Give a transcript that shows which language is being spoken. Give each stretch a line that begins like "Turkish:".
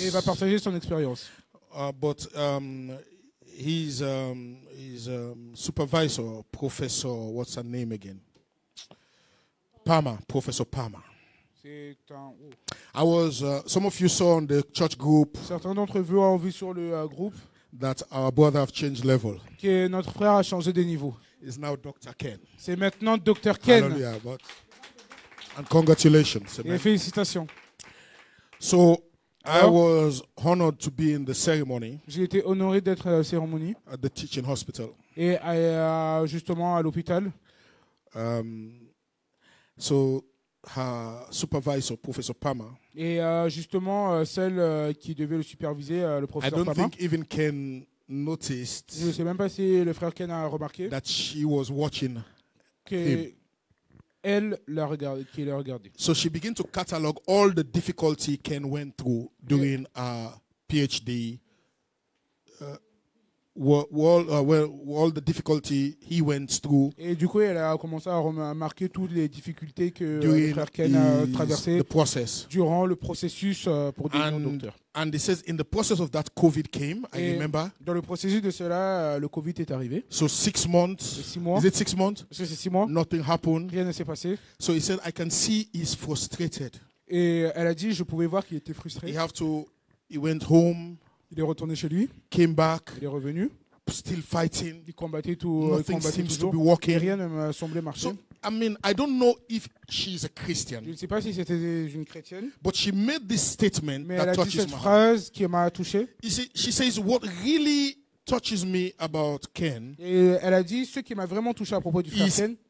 French: Et il va partager son expérience.
English: But his supervisor, professor, what's her name again? Palmer, Professor Palmer. I was. Some of you saw on the church group.
French: Certains d'entre vous ont vu sur le groupe.
English: That our brother have changed level.
French: Que notre frère a changé de niveau.
English: Is now Dr. Ken.
French: C'est maintenant Dr. Ken.
English: Hallelujah, but and congratulations.
French: Et félicitations.
English: So I was honored to be in the ceremony.
French: J'ai été honoré d'être à la cérémonie.
English: At the teaching hospital.
French: Et justement à l'hôpital.
English: So. Her supervisor, Professor Palmer.
French: Et justement, celle qui devait le superviser, le professeur Palmer.
English: I don't think even Ken noticed.
French: Je ne sais même pas si le frère Ken a remarqué.
English: That she was watching.
French: Que elle l'a regardé, qu'il l'a regardé.
English: So she began to catalog all the difficulty Ken went through during her PhD. all the difficulty he went through.
French: Et du coup, elle a commencé à remarquer toutes les difficultés que le frère Ken a traversées durant le processus pour devenir docteur.
English: And it says in the process of that COVID came, I remember.
French: Dans le processus de cela, le COVID est arrivé.
English: So 6 months.
French: Parce que c'est 6 mois.
English: Nothing happened.
French: Rien ne s'est passé.
English: So he said, I can see he's frustrated.
French: Et elle a dit, je pouvais voir qu'il était frustré.
English: He went home.
French: Il est retourné chez lui.
English: Came back.
French: Il est revenu.
English: Still fighting.
French: Il combattait toujours.
English: Nothing seems to be working.
French: Rien ne me semblait marcher.
English: So, I mean, I don't know if she's a Christian.
French: Je ne sais pas si c'était une chrétienne.
English: But she made this statement
French: Mais
English: that
French: elle a
English: touches
French: dit cette phrase qui m'a touché.
English: You see, she says what really touches me about Ken.
French: Et elle a dit ce qui m'a vraiment touché à propos du frère Ken.